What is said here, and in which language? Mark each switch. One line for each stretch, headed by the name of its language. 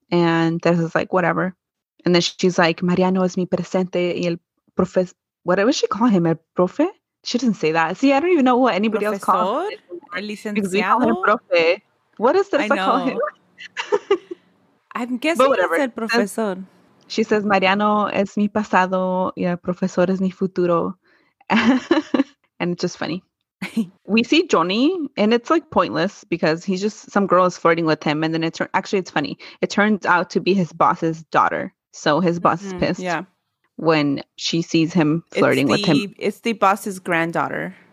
English: And Teresa's like, whatever. And then she's like,
Spanish: Mariano es mi presente y el profe.
English: What she call him? El profe? She doesn't say that. See, I don't even know what anybody else calls him.
Spanish: El licenciado?
English: What does Teresa call him? I'm guessing it's el profesor. She says,
Spanish: Mariano es mi pasado y el profesor es mi futuro.
English: And it's just funny. We see Johnny, and it's like pointless because he's just some girl is flirting with him. And then it's funny. It turns out to be his boss's daughter. So his boss is pissed. Yeah. When she sees him flirting with him. It's the boss's granddaughter.